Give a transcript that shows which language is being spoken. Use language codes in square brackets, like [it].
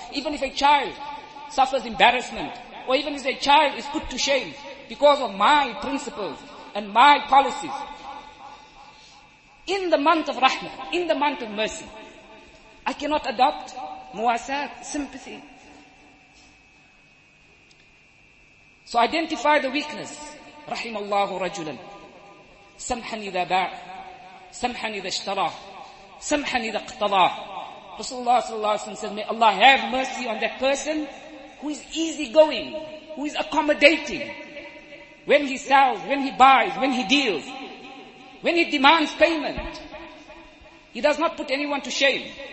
[en] Even if a child suffers embarrassment, or even if a child is put to shame because of my principles and my policies, in the month of Rahmah, in the month of mercy, I cannot adopt muasat, sympathy. So identify the weakness. [ar] رحم الله رجلا سمحا إذا باع سمحا إذا اشترى سمحا إذا اقتضى. [en] Rasulullah صلى الله عليه وسلم said, may Allah have mercy on that person who is easygoing, who is accommodating. When he sells, when he buys, when he deals, when he demands payment, he does not put anyone to shame.